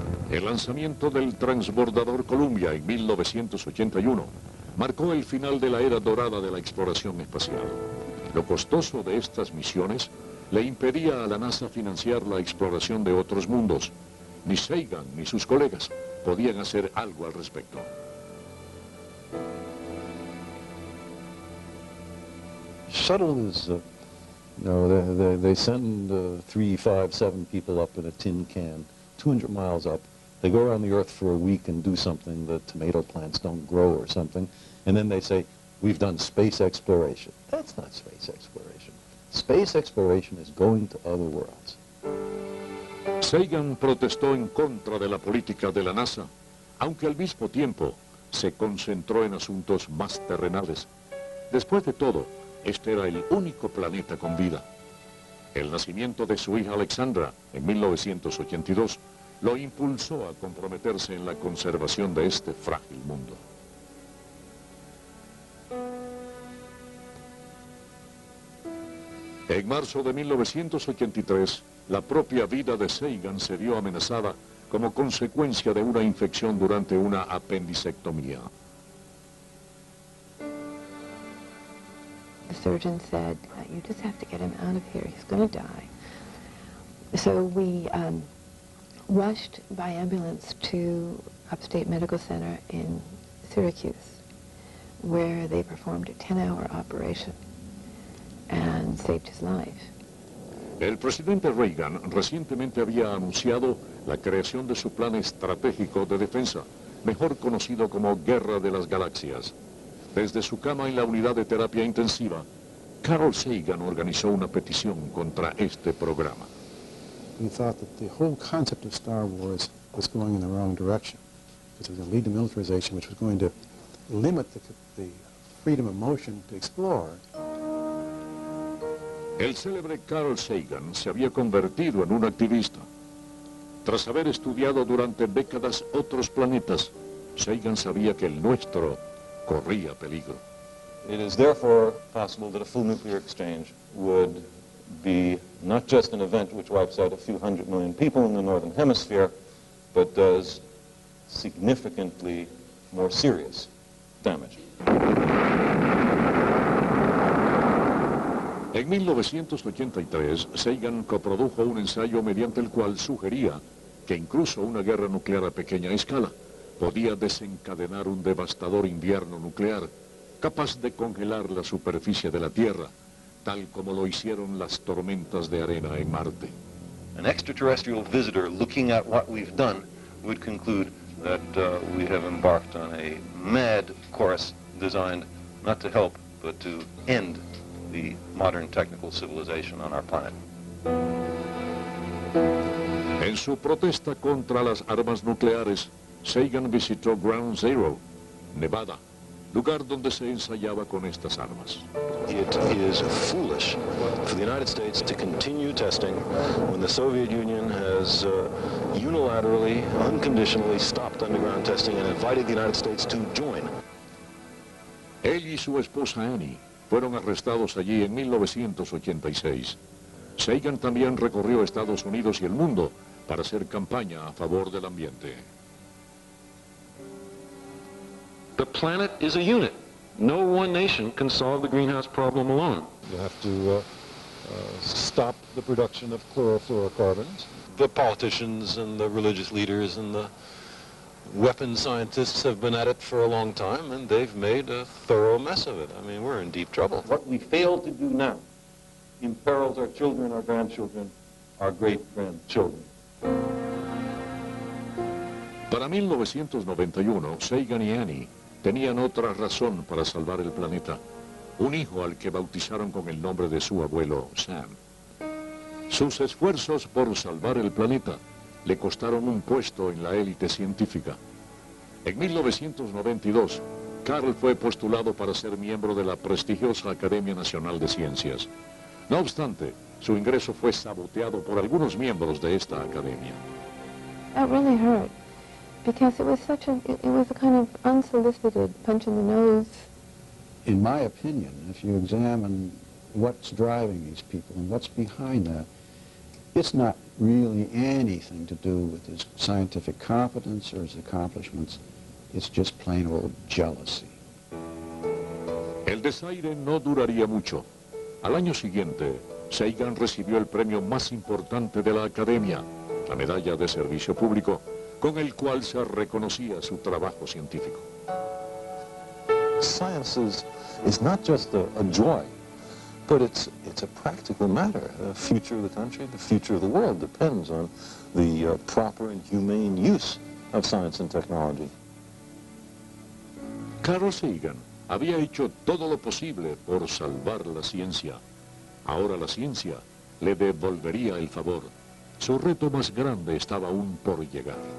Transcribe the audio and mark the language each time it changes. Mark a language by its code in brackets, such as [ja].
[es] El lanzamiento del transbordador Columbia en 1981 marcó el final de la era dorada de la exploración espacial. Lo costoso de estas misiones le impedía a la NASA financiar la exploración de otros mundos. Ni Sagan ni sus colegas podían hacer algo al respecto. [en] Shuttle is, they send 3, 5, 7 people up in a tin can, 200 miles up. They go around the Earth for a week and do something that tomato plants don't grow or something. And then they say, we've done space exploration. That's not space exploration. Space exploration is going to other worlds. [es] Sagan protestó en contra de la política de la NASA, aunque al mismo tiempo se concentró en asuntos más terrenales. Después de todo, este era el único planeta con vida. El nacimiento de su hija Alexandra en 1982 lo impulsó a comprometerse en la conservación de este frágil mundo. En marzo de 1983, la propia vida de Sagan se vio amenazada como consecuencia de una infección durante una apendicectomía. [en] The surgeon said, you just have to get him out of here, he's going to die. So we rushed by ambulance to Upstate Medical Center in Syracuse, where they performed a 10-hour operation and saved his life. [es] El presidente Reagan recientemente había anunciado la creación de su plan estratégico de defensa, mejor conocido como Guerra de las Galaxias. Desde su cama en la unidad de terapia intensiva, Carl Sagan organizó una petición contra este programa. [en] We thought that the whole concept of Star Wars was going in the wrong direction, because it was going to lead to militarization, which was going to limit the freedom of motion to explore. [es] El célebre Carl Sagan se había convertido en un activista. Tras haber estudiado durante décadas otros planetas, Sagan sabía que el nuestro corría peligro. [en] It is therefore possible that a full nuclear exchange would be not just an event which wipes out a few hundred million people in the northern hemisphere, but does significantly more serious damage. [es] En 1983, Sagan coprodujo un ensayo mediante el cual sugería que incluso una guerra nuclear a pequeña escala podía desencadenar un devastador invierno nuclear capaz de congelar la superficie de la Tierra, tal como lo hicieron las tormentas de arena en Marte. [en] An extraterrestrial visitor looking at what we've done would conclude that we have embarked on a mad course designed not to help but to end the modern technical civilization on our planet. [es] En su protesta contra las armas nucleares, Sagan visitó Ground Zero, Nevada, lugar donde se ensayaba con estas armas. [en] It is foolish for the United States to continue testing when the Soviet Union has unilaterally, unconditionally stopped underground testing and invited the United States to join. [es] Él y su esposa Annie fueron arrestados allí en 1986. Sagan también recorrió Estados Unidos y el mundo para hacer campaña a favor del ambiente. [en] The planet is a unit. No one nation can solve the greenhouse problem alone. You have to stop the production of chlorofluorocarbons. The politicians and the religious leaders and the weapon scientists have been at it for a long time, and they've made a thorough mess of it. I mean, we're in deep trouble. What we fail to do now imperils our children, our grandchildren, our great-grandchildren. [es] Para 1991, Sagan y Annie tenían otra razón para salvar el planeta, un hijo al que bautizaron con el nombre de su abuelo, Sam. Sus esfuerzos por salvar el planeta le costaron un puesto en la élite científica. En 1992, Carl fue postulado para ser miembro de la prestigiosa Academia Nacional de Ciencias. No obstante, su ingreso fue saboteado por algunos miembros de esta academia. [en] That really hurt, because it was such a, it was a kind of unsolicited punch in the nose. In my opinion, if you examine what's driving these people and what's behind that, it's not really anything to do with his scientific competence or his accomplishments. It's just plain old jealousy. [es] El desaire no duraría mucho. Al año siguiente, Sagan recibió el premio más importante de la Academia, la Medalla de Servicio Público, con el cual se reconocía su trabajo científico. [en] Science is not just a joy, but it's a practical matter. The future of the country, the future of the world depends on the proper and humane use of science and technology. [es] Carl Sagan había hecho todo lo posible por salvar la ciencia. Ahora la ciencia le devolvería el favor. Su reto más grande estaba aún por llegar.